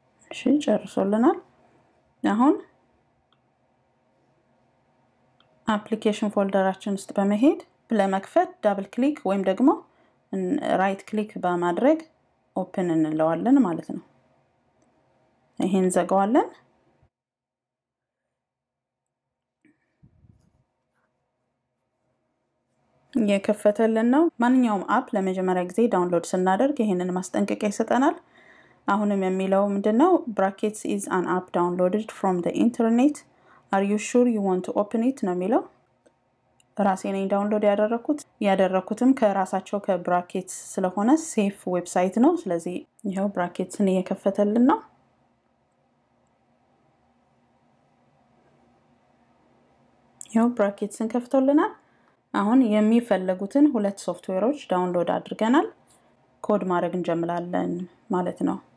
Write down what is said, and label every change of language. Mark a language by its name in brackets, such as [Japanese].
[Amharic] እሺ ጨርሶልናል። አሁን አፕሊኬሽን ፎልደራችን ውስጥ በመሄድ ለመክፈት ዳብል ክሊክ ወይም ደግሞ ራይት ክሊክ በማድረግ ኦፕን እንለዋለን ማለት ነው። ይሄን ዘጋዋለን። የከፈተልን ነው። ማንኛውም አፕ ለመጀመሪያ ጊዜ ዳውንሎድ ስናደርግ ይሄንን ማስጠንቀቂያ ይሰጠናል። አሁንም የሚለው ምንድነው? [English] Brackets is an app downloaded from the internet. Are you sure you want to open it? [Amharic] ነው የሚለው። ራሴ ነኝ ዳውንሎድ ያደረኩትም ከራሳቸው ከብራኬትስ ስለሆነ ሴፍ ዌብሳይት ነው። ስለዚህ ይሄው ብራኬትስን እየከፈተልን ነው። ይሄው ብራኬትስን ከፍቶልናል። አሁን የሚፈልጉትን ሁለት ሶፍትዌሮች ዳውንሎድ አድርገናል። ኮድ ማድረግ እንጀምራለን ማለት ነው።